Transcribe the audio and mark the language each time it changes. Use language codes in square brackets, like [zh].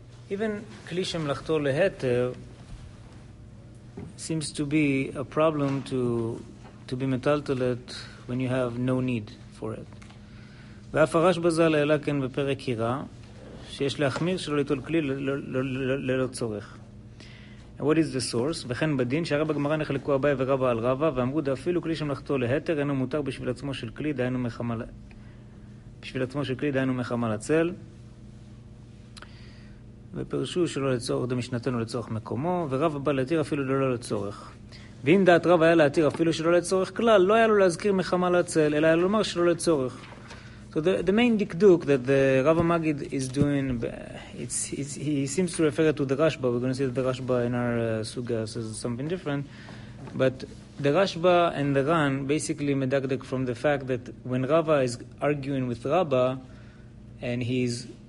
[en] Even כלי שמלאכתו להתר seems to be a problem to be מטלטלת when you have no need for it. [he] ואף הרש בזל העלה כן בפרק הירה, שיש להחמיר שלא ליטול כלי ללא צורך. [en] What is the source? [he] וכן בדין, שהרי בגמרא נחלקו אביי ורבה על רבה, ואמרו דאפילו כלי שמלאכתו להתר, אינו מותר בשביל עצמו של כלי, דהיינו מחמל... בשביל עצמו של כלי, דהיינו מחמל הצל. ופרשו שלא לצורך, דמשנתנו לצורך מקומו, ורבה בא להתיר אפילו ללא לצורך. ואם דעת רבה היה להתיר אפילו שלא לצורך כלל, לא היה לו להזכיר מחמל הצל, אלא היה לו לומר שלא לצורך. [en] So the main dikduk that the Rava Magid is doing, he seems to refer to the Rashba. We're going to see that the Rashba in our suga says something different. But the Rashba and the Ran basically medakdek from the fact that when Rava is arguing with Rabba, and he's...